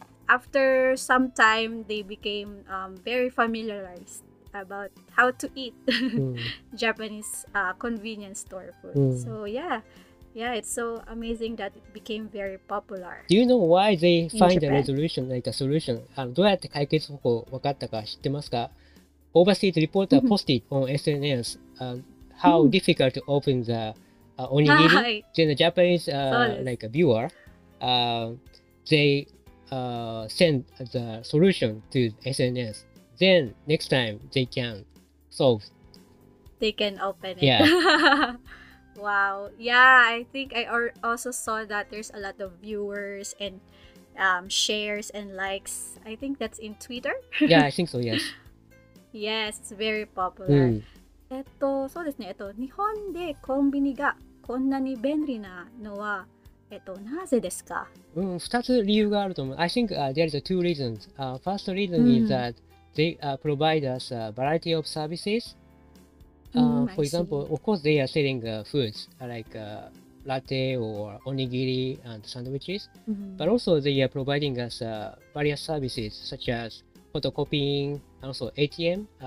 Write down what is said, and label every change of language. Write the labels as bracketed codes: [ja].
[en] After some time, they became very familiarized about how to eat Japanese convenience store food. So yeah, it's so amazing that it became very popular. Do you know why they find a resolution, like a solution? [ja] どうやって解決方法を分かったか知ってますか? [en] Overseas reporter posted on SNS how difficult to open the onigiri. Then the Japanese like a viewer, send the solution to SNS. Then next time they can solve. They can open it. Yeah. Wow. Yeah, I think I also saw that there's a lot of viewers and shares and likes. I think that's in Twitter. Yeah, I think so, yes. Yes, it's very popular. Mm. [ja] そうですね。日本でコンビニがこんなに便利なのは、なぜですか？ 2つ理由があると思う。 I think there is two reasons. [en] First reason is that they provide us a variety of services. For example, of course, they are selling foods like latte or onigiri and sandwiches. Mm-hmm. But also, they are providing us various services such as photocopying and also ATM.